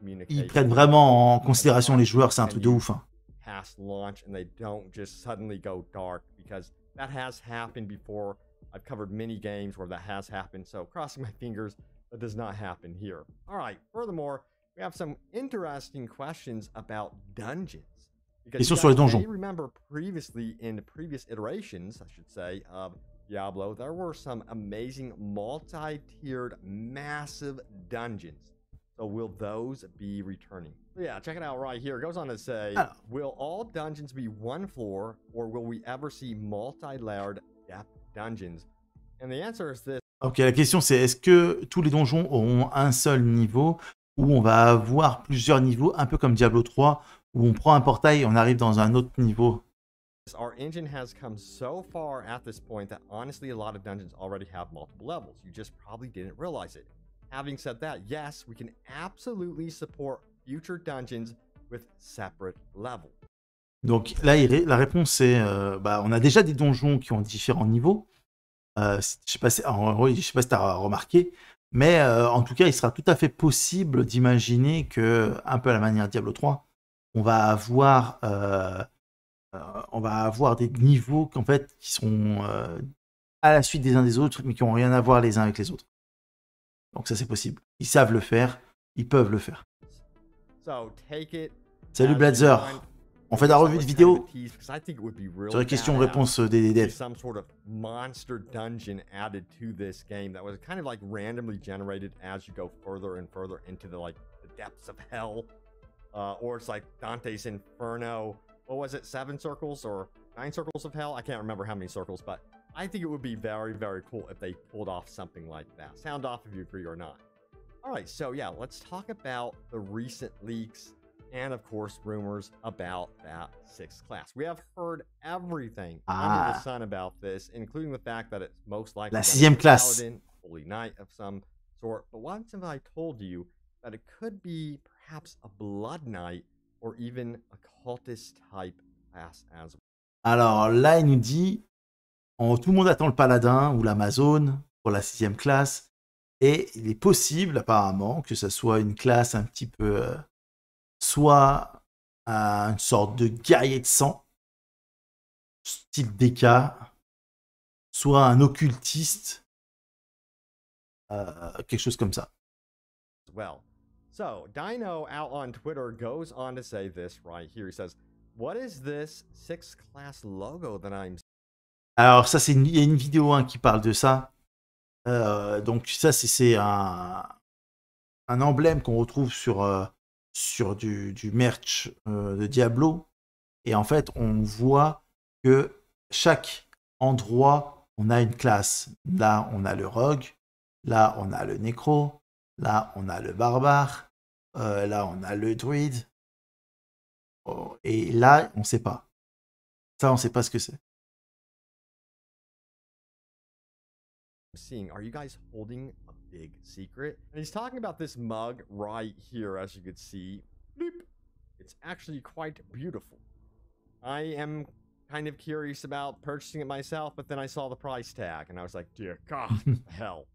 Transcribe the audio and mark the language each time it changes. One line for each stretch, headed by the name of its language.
French: Ils prennent vraiment en considération les joueurs, c'est un truc de ouf. Hein.
English: Past launch and they don't just suddenly go dark, because that has happened before. I've covered many games where that has happened, so crossing my fingers that does not happen here. All right, furthermore, we have some interesting questions about dungeons.
French: Et sur les donjons.
English: Remember previously in the previous iterations, I should say, of Diablo, there were some amazing multi-tiered massive dungeons. So will those be returning? Yeah, check it out right here. It goes on to say, will all dungeons be one floor or will we ever see multi-layered depth dungeons? And the answer is this.
French: OK, la question c'est est-ce que tous les donjons auront un seul niveau ou on va avoir plusieurs niveaux un peu comme Diablo 3 où on prend un portail et on arrive dans un autre niveau.
English: Our engine has come so far at this point that honestly a lot of dungeons already have multiple levels. You just probably didn't realize it. Having said that, yes, we can absolutely support future dungeons with separate levels.
French: Donc là, la réponse est, on a déjà des donjons qui ont différents niveaux. Je sais pas si tu as remarqué, mais en tout cas, il sera tout à fait possible d'imaginer que, un peu à la manière Diablo 3, on va avoir des niveaux qu'en fait, qui sont à la suite des uns des autres, mais qui n'ont rien à voir les uns avec les autres. Donc ça c'est possible. Ils savent le faire, ils peuvent le faire.
English: So, take it.
French: Salut Blazer. On fait la revue de vidéo sur les questions-réponses des
English: some sort of monster dungeon added to this game that was kind of like randomly generated as you go further and further into the like the depths of hell or it's like Dante's Inferno. What was it? 7 circles or 9 circles of hell? I can't remember how many circles, but I think it would be very, very cool if they pulled off something like that. Sound off if you agree or not. All right, so yeah, let's talk about the recent leaks and, of course, rumors about that 6th class. We have heard everything under the sun about this, including the fact that it's most likely
French: la 6e classe.
English: Paladin, Holy Knight of some sort. But once have I told you that it could be perhaps a Blood Knight or even a cultist-type class as well?
French: Alors là, il nous dit... tout le monde attend le paladin ou l'amazone pour la 6e classe. Et il est possible, apparemment, que ça soit une classe un petit peu... soit une sorte de guerrier de sang, style DK, soit un occultiste, quelque chose comme ça.
English: Well, so, Dino out on Twitter goes on to say this right here. He says, what is this 6th class logo that I'm...
French: Alors ça, c'est une vidéo qui parle de ça. Donc ça, c'est un emblème qu'on retrouve sur du merch de Diablo. Et en fait, on voit que chaque endroit, on a une classe. Là, on a le rogue. Là, on a le nécro. Là, on a le barbare. Là, on a le druide. Et là, on ne sait pas. Ça, on ne sait pas ce que c'est.
English: Seeing, are you guys holding a big secret? And he's talking about this mug right here, as you could see. Bleep. It's actually quite beautiful. I am kind of curious about purchasing it myself, but then I saw the price tag and I was like, dear God, hell.